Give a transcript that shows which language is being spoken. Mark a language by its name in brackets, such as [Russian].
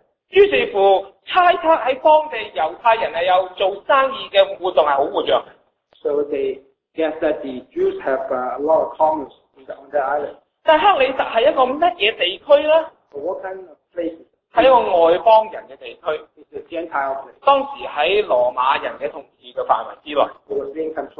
[Chinese] 于是乎猜测在当地犹太人有做生意的活动是很活跃。 [English] So they guess that the Jews have a lot of commerce on the island. [Chinese] 但克里特是一个什么地区呢？ [English] What kind of place? [Chinese] 是一个外邦人的地区，当时在罗马人的统治的范围之内。